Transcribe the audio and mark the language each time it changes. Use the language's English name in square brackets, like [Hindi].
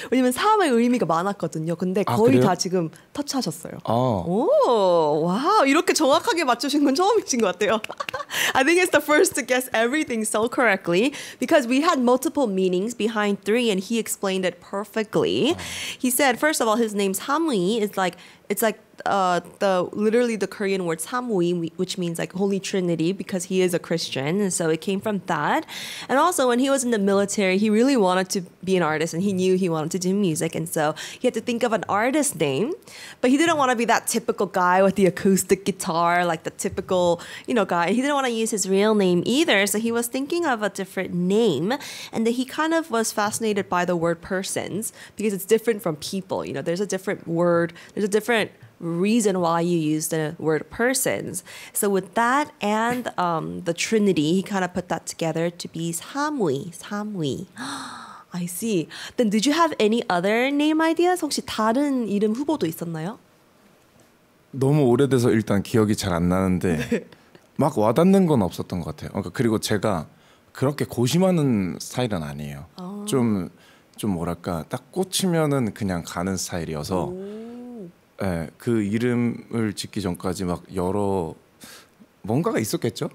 [Korean] 왜냐면 3의 의미가 많았거든요. 근데 거의 다 지금 터치하셨어요. 오, 와우, 이렇게 정확하게 맞추신 건 처음이신 것 같아요. [English] I think it's the first to guess everything so correctly because we had multiple meanings behind 3 and he explained it perfectly. He said, first of all, his name 3위 is like it's like literally the Korean word 삼위, which means like Holy Trinity because he is a Christian. And so it came from that. And also when he was in the military, he really wanted to be an artist and he knew he wanted to do music. And so he had to think of an artist name, but he didn't want to be that typical guy with the acoustic guitar, like the typical, you know, guy. He didn't want to use his real name either. So he was thinking of a different name and that he kind of was fascinated by the word persons because it's different from people. You know, there's a different word. There's a different reason why you use the word persons. So with that and the Trinity, he kind of put that together to be 삼위, 삼위. I see. Then did you have any other name ideas? [Korean] 혹시 다른 이름 후보도 있었나요? 너무 오래돼서 일단 기억이 잘 안 나는데 막 와닿는 건 없었던 것 같아요. 그러니까 그리고 제가 그렇게 고심하는 스타일은 아니에요. 좀 좀 뭐랄까 딱 꽂히면은 그냥 가는 스타일이어서 예, 그 이름을 짓기 전까지 막 여러 뭔가가 있었겠죠.